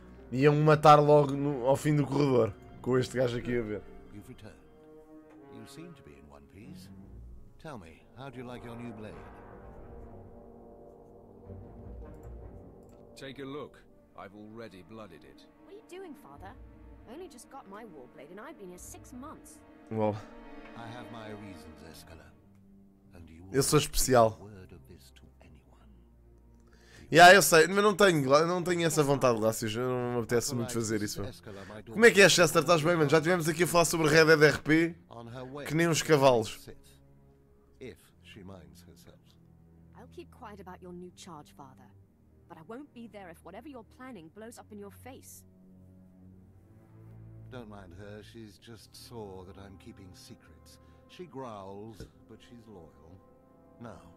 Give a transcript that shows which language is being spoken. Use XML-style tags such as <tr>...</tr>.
<pt>Iam matar logo ao fim do corredor com este gajo aqui a ver.</pt> <en>You've returned. You seem to be in one piece. Tell me, how do you like your new blade? Take a look. I've already blooded it. What are you doing, Father? I only just got my warblade and I've been here 6 months. Well, I have my reasons, Escala. And you will give a word of this to anyone.</en> <pt>Yeah, eu sei, mas não tenho essa vontade, Lácius. Não me apetece muito fazer isso. Como é que é, Chester? Estás bem, mano? Já tivemos aqui a falar sobre Red Dead RP, que nem uns cavalos.</pt> <en>If she minds herself. I'll keep quiet about your new charge, Father. But I won't be there if whatever you're planning blows up in your face. Don't mind her, she's just sore that I'm keeping secrets. She growls, but she's loyal. Now.</en>